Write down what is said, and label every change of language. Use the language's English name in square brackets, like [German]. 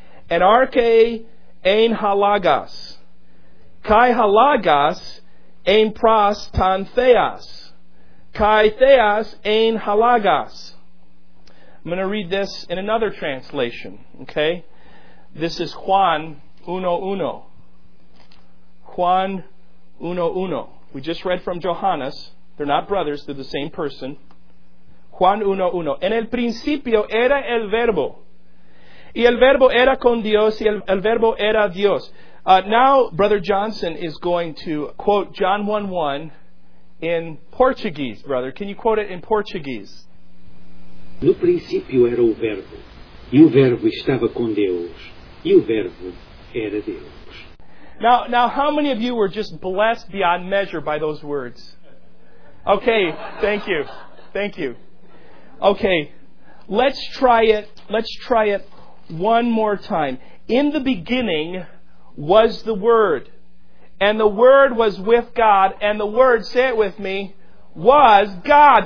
[English] And arche ein halagas, kai halagas ein pras tan theas, kai theas ein halagas. I'm going to read this in another translation. Okay? This is Juan 1:1. Juan 1:1. We just read from Johannes. They're not brothers, they're the same person. Juan 1:1. [Spanish] En el principio era el verbo. Y el verbo era con Dios, y el verbo era Dios. [English] Now, Brother Johnson is going to quote John 1:1 in Portuguese, brother. Can you quote it in Portuguese? [Portuguese] No princípio era o verbo, e o verbo estava com Deus, e o verbo era Deus. [English] Now, how many of you were just blessed beyond measure by those words? Okay, thank you. Okay, let's try it. One more time. In the beginning was the Word, and the Word was with God, and the Word, say it with me, was God.